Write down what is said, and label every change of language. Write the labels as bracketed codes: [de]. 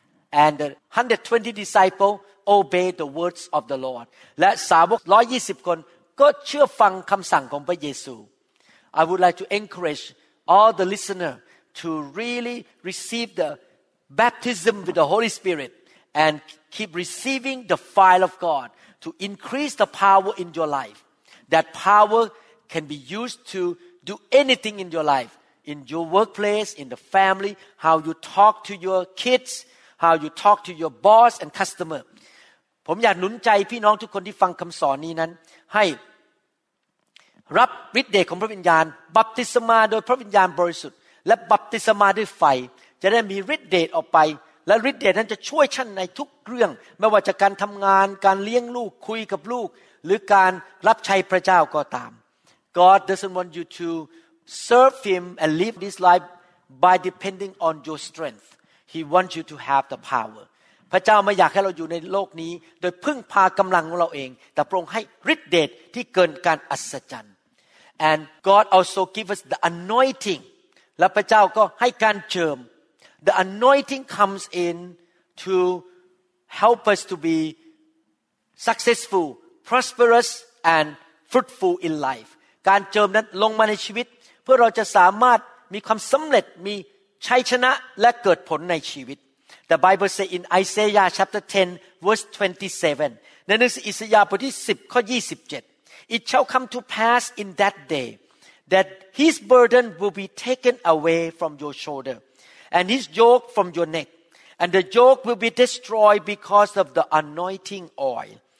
[en] And the 120 disciples obeyed the words of the Lord [th] และสาวก120คนก็เชื่อฟังคำสั่งของพระเยซู [en] I would like to encourage all the listeners to really receive the baptism with the Holy Spirit and keep receiving the fire of God to increase the power in your life. That power can be used to do anything in your life, in your workplace, in the family, how you talk to your kids, how you talk to your boss and customer. [th] ผมอยากหนุนใจพี่น้องทุกคนที่ฟังคำสอนนี้นั้นให้รับฤทธิ์เดชของพระวิญญาณบัพติศมาโดยพระวิญญาณบริสุทธิ์และบัพติศมาด้วยไฟจะได้มีฤทธิ์เดชออกไปและฤทธิ์เดชนั้นจะช่วยท่านในทุกเรื่องไม่ว่าจะการทำงานการเลี้ยงลูกคุยกับลูกหรือการรับใช้พระเจ้าก็ตาม [en] God doesn't want you to serve him and live this life by depending on your strength he wants you to have the power [th] พระเจ้าไม่อยากให้เราอยู่ในโลกนี้โดยพึ่งพากำลังของเราเองแต่พระองค์ให้ฤทธิ์เดชที่เกินการอัศจรรย์ [en] And God also gives us the anointing. [th] และพระเจ้าก็ให้การเจิม [en] The anointing comes in to help us to be successful, prosperous, and fruitful in life. [th] การเจิมนั้นลงมาในชีวิตเพื่อเราจะสามารถมีความสำเร็จมีชัยชนะและเกิดผลในชีวิต [en] The Bible says in Isaiah chapter 10 verse 27 [th] ในหนังสืออิสยาห์บทที่10ข้อ27 [en] It shall come to pass in that day that his burden will be taken away from your shoulder and his yoke from your neck and the yoke will be destroyed because of the anointing oil